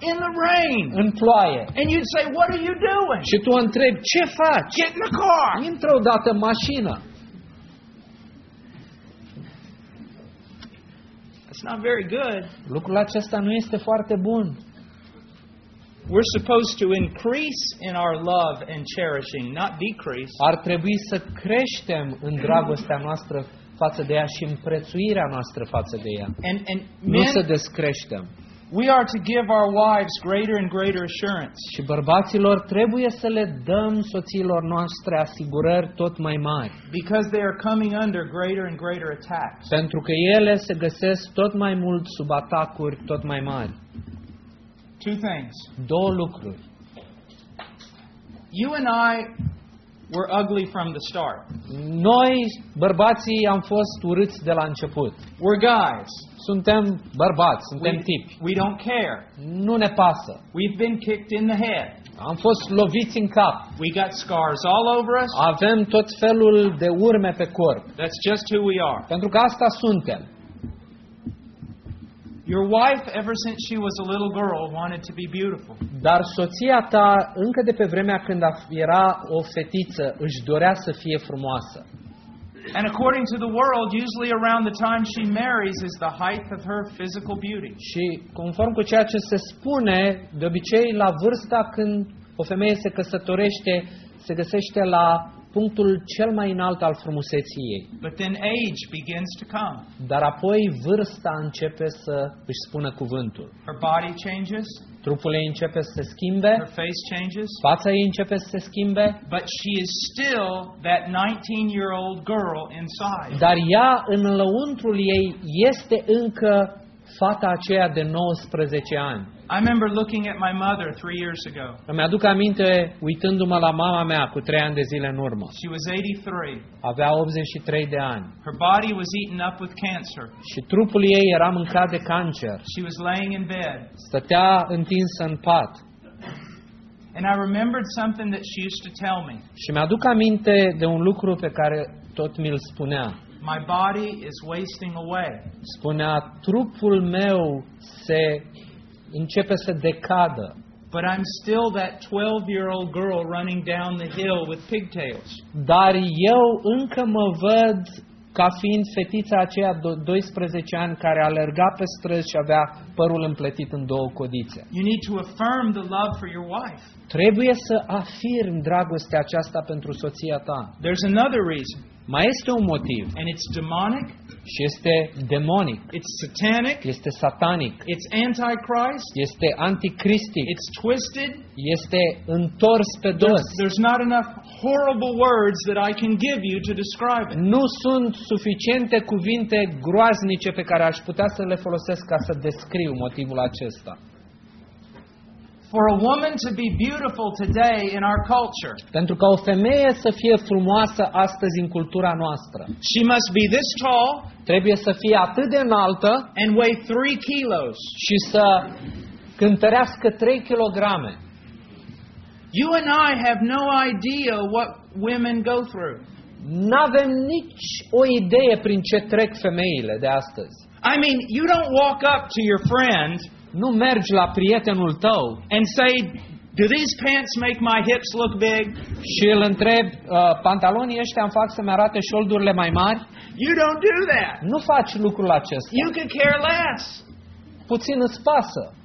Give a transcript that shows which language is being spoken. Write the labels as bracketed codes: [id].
[en] In the rain. [ro] În ploaie. [en] And you'd say, "What are you doing?" [ro] Și tu întrebi, ce faci? [en] Get in the car. [ro] Intră odată în mașină. [en] It's not very good. [ro] Lucrul acesta nu este foarte bun. [en] We're supposed to increase in our love and cherishing, not decrease. [ro] Ar trebui să creștem în dragostea noastră față de ea și în prețuirea noastră față de ea. [en] And [ro] nu să descreștem. [en] We are to give our wives greater and greater assurance. [ro] Și bărbaților trebuie să le dăm soțiilor noastre asigurări tot mai mari. [en] Because they are coming under greater and greater attacks. [ro] Pentru că ele se găsesc tot mai mult sub atacuri tot mai mari. [en] Two things. [ro] Două lucruri. [en] You and I were ugly from the start. [ro] Noi, bărbații, am fost urâți de la început. [en] We're guys. [ro] Suntem bărbați, suntem tipi. [en] We don't care. [ro] Nu ne pasă. [en] We've been kicked in the head. [ro] Am fost loviți în cap. [en] We got scars all over us. [ro] Avem tot felul de urme pe corp. [en] That's just who we are. [ro] Pentru că asta suntem. [en] Your wife, ever since she was a little girl, wanted to be beautiful. [ro] Dar soția ta, încă de pe vremea când era o fetiță, își dorea să fie frumoasă. [en] And according to the world, usually around the time she marries is the height of her physical beauty. [ro] Și conform cu ceea ce se spune, de obicei la vârsta când o femeie se căsătorește, se găsește la punctul cel mai înalt al frumuseții ei. [en] But then age begins to come. [ro] Dar apoi vârsta începe să își spună cuvântul. [en] Her body changes. [ro] Trupul ei începe să se schimbe. [en] Her face changes. [ro] Fața ei începe să se schimbe. [en] But she is still that 19-year-old girl inside. [ro] Dar ea în lăuntrul ei este încă fata aceea de 19 ani. [en] I remember looking at my mother 3 years ago. [ro] Îmi aduc aminte uitându-mă la mama mea cu 3 ani de zile în urmă. [en] She was 83. [ro] Avea 83 de ani. [en] Her body was eaten up with cancer. [ro] Și trupul ei era mâncat de cancer. [en] She was laying in bed. [ro] Stătea întinsă în pat. [en] And I remembered something that she used to tell me. [ro] Și mi-aduc aminte de un lucru pe care tot mi-l spunea. [en] My body is wasting away. [ro] Spunea, trupul meu se începe să decadă. [en] But I'm still that 12-year-old girl running down the hill with pigtails. [ro] Dar eu încă mă văd ca fiind fetița aceea de 12 ani care alerga pe străzi și avea părul împletit în două codițe. [en] You need to affirm the love for your wife. [ro] Trebuie să afirm dragostea aceasta pentru soția ta. [en] There's another reason. [ro] Mai este un motiv. [en] And it's demonic. [ro] Și este demonic. [en] It's satanic. [ro] Este satanic. [en] It's antichrist. [ro] Este anticristic. [en] It's twisted. [ro] Este întors pe dos. [en] There's not enough horrible words that I can give you to describe it. [ro] Nu sunt suficiente cuvinte groaznice pe care aș putea să le folosesc ca să descriu motivul acesta. [en] For a woman to be beautiful today in our culture. [ro] Pentru ca o femeie să fie frumoasă astăzi în cultura noastră. [en] She must be this tall. [ro] Trebuie să fie atât de înaltă. [en] And weigh 3 kilos. [ro] Și să cântărească 3 kilograme. [en] You and I have no idea what women go through. [ro] N-avem nici o idee prin ce trec femeile de astăzi. [en] I mean, you don't walk up to your friend. [ro] Nu mergi la prietenul tău [en] and say, Do these pants make my hips look big? [ro] Și îl întreb, pantalonii ăștia îmi fac să-mi arate șoldurile mai mari? [en] You don't do that. [ro] Nu faci lucrul acesta. [en] You could care less. [ro] Puțin îți pasă.